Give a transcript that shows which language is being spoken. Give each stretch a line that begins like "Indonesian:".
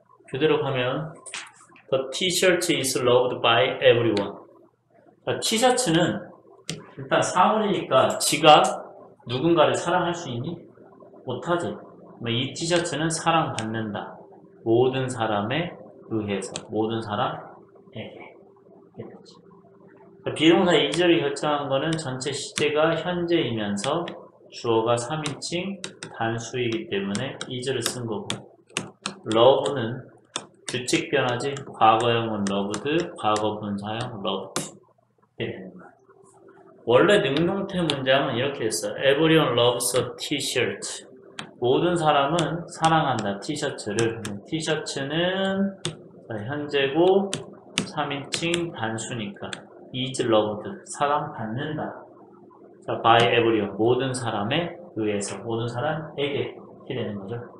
Korean: 그대로 가면
English: the t-shirt is loved by everyone.
Korean: 티셔츠는 일단 사물이니까 지가 누군가를 사랑할 수 있니? 못하지. 이 티셔츠는 사랑받는다. 모든 사람의 의해서, 모든 사람에게. 비동사 2절이 결정한 거는 전체 시제가 현재이면서 주어가 3인칭 단수이기 때문에 2절을 쓴 거고. love는 규칙 변화지, 과거형은 loved, 과거분사형 loved. 원래 능동태 문장은 이렇게 했어.
English: Everyone loves a t-shirt.
Korean: 모든 사람은 사랑한다, 티셔츠를. 티셔츠는 현재고 3인칭 단수니까 is loved, 사랑받는다. 자,
English: by everyone,
Korean: 모든 사람에 의해서, 모든 사람에게 이렇게 되는 거죠.